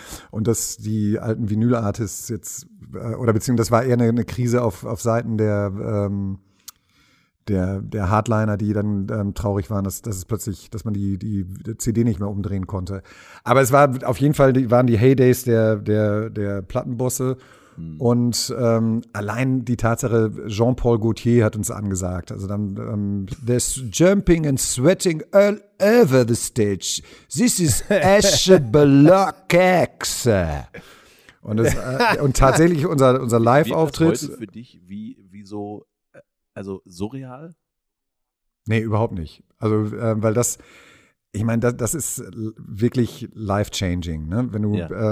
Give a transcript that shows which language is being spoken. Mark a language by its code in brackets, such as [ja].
[de] Und dass die alten Vinyl-Artists jetzt oder beziehungsweise das war eher eine Krise auf Seiten der Hardliner, die dann traurig waren, dass man die CD nicht mehr umdrehen konnte. Aber es war auf jeden Fall waren die Heydays der Plattenbosse. Und allein die Tatsache, Jean-Paul Gaultier hat uns angesagt. Also dann, [en] there's jumping and sweating all over the stage. This is Asher Block X. [de] Und tatsächlich unser Live-Auftritt. Wird das heute für dich wie so, also surreal? Nee, überhaupt nicht. Also, weil das, ich meine, das ist wirklich [en] life-changing, [de] ne? Wenn du, ja.